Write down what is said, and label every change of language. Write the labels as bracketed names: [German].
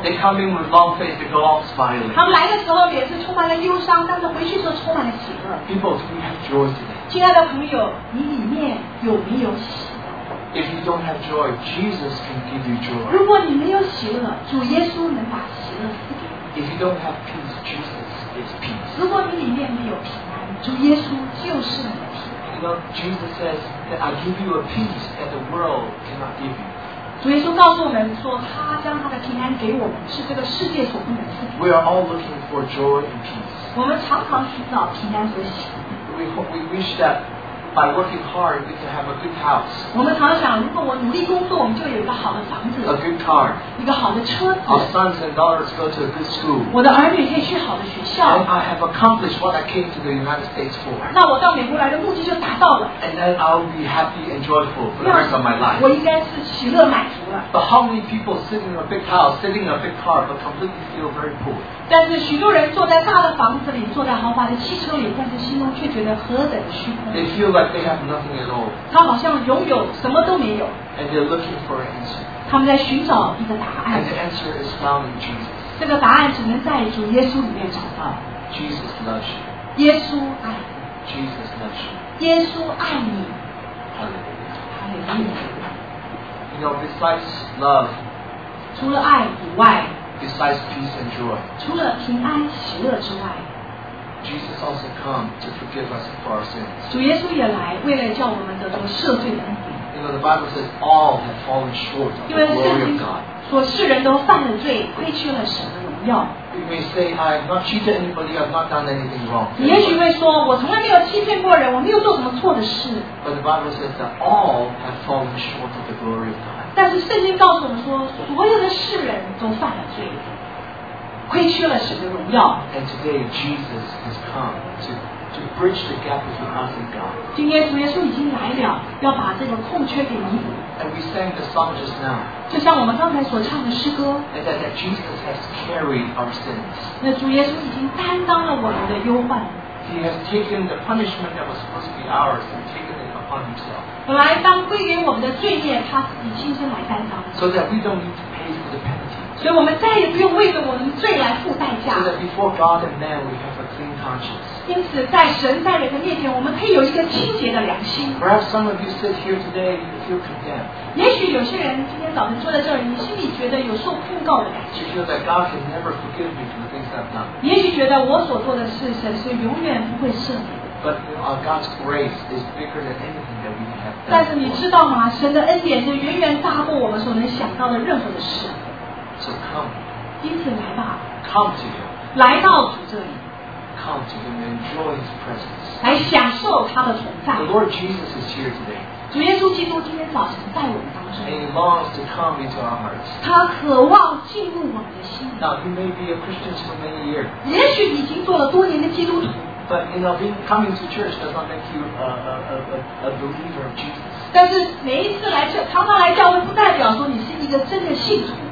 [English] They come in with long face, they go off smiling. [Chinese] 他们来的时候也是充满了忧伤，但是回去时候充满了喜乐。 [English] People, do you have joy today? [Chinese] 亲爱的朋友，你里面有没有喜乐？ [English] If you don't have joy, Jesus can give you joy. [Chinese] 如果你没有喜乐，主耶稣能把喜乐赐给你。 [English] If you don't have peace, Jesus is peace. [Chinese] 如果你里面没有平安，主耶稣就是你的平安。 [English] Jesus says that I give you a peace that the world cannot give you. [Chinese] 主耶稣告诉我们说，他将他的平安给我们，是这个世界所不能赐的。 [English] We are all looking for joy and peace. [Chinese] 我们常常寻找平安和喜乐。 [English] We wish that by working hard we can have a good house. [Chinese] 我们常想，如果我努力工作，我们就有一个好的房子。 [English] A good car. [Chinese] 一个好的车子。 [English] Our sons and daughters go to a good school. [Chinese] 我的儿女可以去好的学校。 [English] And I have accomplished what I came to the United States for. [Chinese] 那我到美国来的目的就达到了。 [English] And then I'll be happy and joyful for the rest of my life. [Chinese] 我应该是喜乐满足了。 [English] But how many people sit in a big house, sitting in a big car, but completely feel very poor? [Chinese] 但是许多人坐在大的房子里，坐在豪华的汽车里，但是心中却觉得何等虚空。 [English] They feel like they have nothing at all. [Chinese] 他好像拥有什么都没有。 [English] And they're looking for an answer. [Chinese] 他们在寻找一个答案。 [English] And the answer is found in Jesus. [Chinese] 这个答案只能在主耶稣里面找到。 [English] Jesus loves you. [Chinese] 耶稣爱你。 [English] Jesus loves you. [Chinese] 耶稣爱你。 [English] Hallelujah. Hallelujah. You know, besides love, [Chinese] 除了爱以外, [English] besides peace and joy, [Chinese] 除了平安喜乐之外, [English] Jesus also come to forgive us for our sins. [Chinese] 主耶稣也来为了叫我们得到赦罪的恩典。 [English] You know, the Bible says all have fallen short of the glory of God. [Chinese] 说世人都犯了罪，亏缺了神的荣耀。要。 [English] You may say, I've not cheated anybody, I've not done anything wrong. [Chinese] 你也许会说，我从来没有欺骗过人，我没有做什么错的事。 [English] But the Bible says that all have fallen short of the glory of God. [Chinese] 但是圣经告诉我们说，所有的世人都犯了罪。 [English] And today Jesus has come to bridge the gap between us and God. [Chinese] 今天主耶稣已经来了，要把这个空缺给弥补。 [English] And we sang the song just now. [Chinese] 就像我们刚才所唱的诗歌。 [English] And that Jesus has carried our sins. [Chinese] 那主耶稣已经担当了我们的忧患。 [English] He has taken the punishment that was supposed to be ours and taken it upon himself. [Chinese] 本来当归给我们的罪孽，他自己亲身来担当。 [English] So that we don't need to pay for the penalty. [Chinese] 所以我们再也不用为着我们罪来付代价。 [English] So that before God and man, we have a clean conscience. [Chinese] 因此，在神在人的面前，我们可以有一个清洁的良心。 [English] Perhaps some of you sit here today, you feel condemned. [Chinese] 也许有些人今天早晨坐在这里，你心里觉得有受控告的感觉。 [English] You feel that God can never forgive me for the things I've done. [Chinese] 也许觉得我所做的事，神是永远不会赦免。 [English] But our God's grace is bigger than anything that we have done. [Chinese] 但是你知道吗？神的恩典是远远大过我们所能想到的任何的事。 [English] So come. [Chinese] 因此来吧。 [English] Come to him. [Chinese] 来到主这里。 [English] Come to him and enjoy his presence. [Chinese] 来享受他的存在。 [English] The Lord Jesus is here today. [Chinese] 主耶稣基督今天早晨在我们当中。 [English] And he longs to come into our hearts. [Chinese] 他渴望进入我们的心。 [English] Now you may be a Christian for many years. [Chinese] 也许已经做了多年的基督徒。 [English] But you know, coming to church does not make you a believer of Jesus. [Chinese] 但是每一次来教，常常来教会，不代表说你是一个真的信徒。